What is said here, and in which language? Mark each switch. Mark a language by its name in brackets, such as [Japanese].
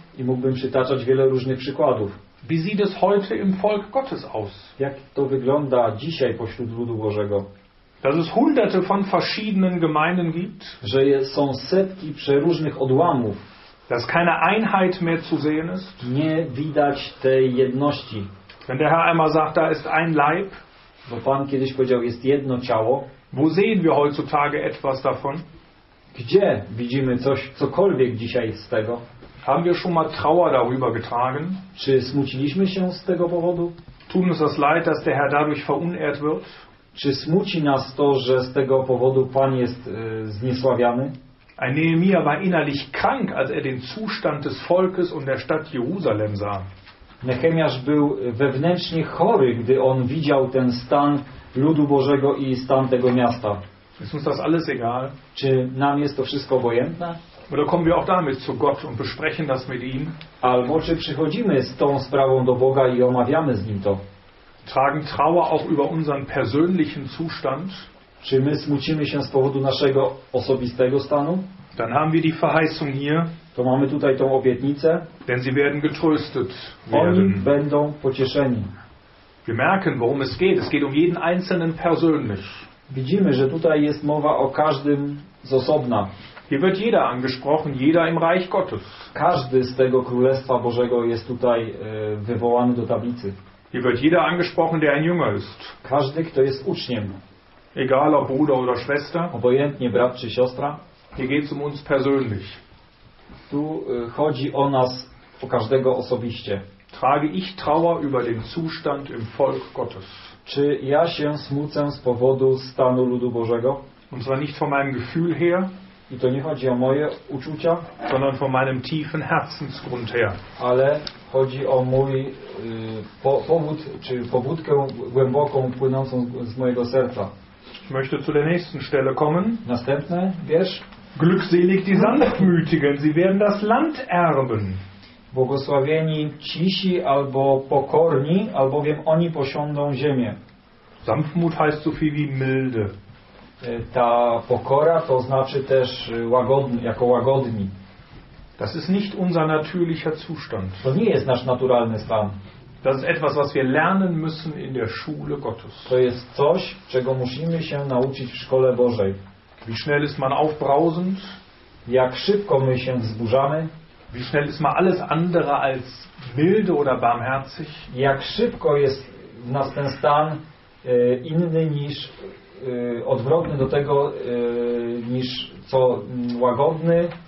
[Polish] I mógłbym przytaczać wiele różnych przykładów. [German] Wie sieht es heute im Volk Gottes aus? [Polish] Jak to wygląda dzisiaj pośród ludu Bożego? [German] Dass es hunderte von verschiedenen Gemeinden gibt. [Polish] Że są setki przeróżnych odłamów. [German] Dass keine Einheit mehr zu sehen ist. [Polish] Nie widać tej jedności. [German] Wenn der Herr einmal sagt, da ist ein Leib. [Polish] Bo Pan kiedyś powiedział, jest jedno ciało. [German] Wo sehen wir heutzutage etwas davon? [Polish] Gdzie widzimy coś, cokolwiek dzisiaj z tego? [German] Haben wir schon mal Trauer darüber getragen? [Polish] Czy smuciliśmy się z tego powodu? [German] Tut uns das leid, dass der Herr dadurch verunehrt wird? [Polish] Czy smuci nas to, że z tego powodu Pan jest zniesławiany? [German] Ein Nehemia war innerlich krank, als er den Zustand des Volkes und der Stadt Jerusalem sah. [Polish] Nehemiasz był wewnętrznie chory, gdy on widział ten stan ludu Bożego i stan tego miasta. [German] Ist uns das alles egal? [Polish] Czy nam jest to wszystko obojętne? [German] Oder kommen wir auch damit zu Gott und besprechen das mit ihm? [Polish] Albo czy przychodzimy z tą sprawą do Boga i omawiamy z nim to? [German] Tragen Trauer auch über unseren persönlichen Zustand? [Polish] Czy my smucimy się z powodu naszego osobistego stanu? [German] Dann haben wir die Verheißung hier. [Polish] To mamy tutaj tą obietnicę. [German] Denn sie werden getröstet. [Polish] Oni będą pocieszeni. [German] Wir merken, worum es geht. Es geht um jeden einzelnen persönlich. [Polish] Widzimy, że tutaj jest mowa o każdym z osobna. [German] Hier wird jeder angesprochen, jeder im Reich Gottes. [Polish] Każdy z tego Królestwa Bożego jest tutaj wywołany do tablicy. [German] Hier wird jeder angesprochen, der ein Jünger ist. [Polish] Każdy, kto jest uczniem. [German] Egal ob Bruder oder Schwester. [Polish] Obojętnie brat czy siostra. [German] Hier geht's um uns persönlich. [Polish] Tu chodzi o nas, o każdego osobiście. [German] Trage ich Trauer über den Zustand im Volk Gottes? [Polish] Czy ja się smucę z powodu stanu ludu Bożego? [German] Und zwar nicht von meinem Gefühl her. [Polish] I to nie chodzi o moje uczucia, [German] sondern von meinem tiefen Herzensgrund her. [Polish] Ale chodzi o mój powód, czy pobudkę głęboką płynącą z mojego serca. [German] Ich möchte zu der nächsten Stelle kommen. [Polish] Następne wiersz. [German] Glückselig die Sanftmütigen, sie werden das Land erben. [Polish] Błogosławieni cisi albo pokorni, albowiem oni posiądą ziemię. [German] Sanftmut heißt so viel wie milde. [Polish] Ta pokora to znaczy też łagodny, jako łagodni. [German] Das ist nicht unser natürlicher Zustand. [Polish] To nie jest nasz naturalny stan. [German] Das ist etwas, was wir lernen müssen in der Schule Gottes. [Polish] To jest coś, czego musimy się nauczyć w szkole Bożej. [German] Wie schnell ist man aufbrausend? [Polish] Jak szybko my się wzburzamy? [German] Wie schnell ist man alles andere als milde oder barmherzig? [Polish] Jak szybko jest w nas ten stan inny niż odwrotny do tego niż co łagodny?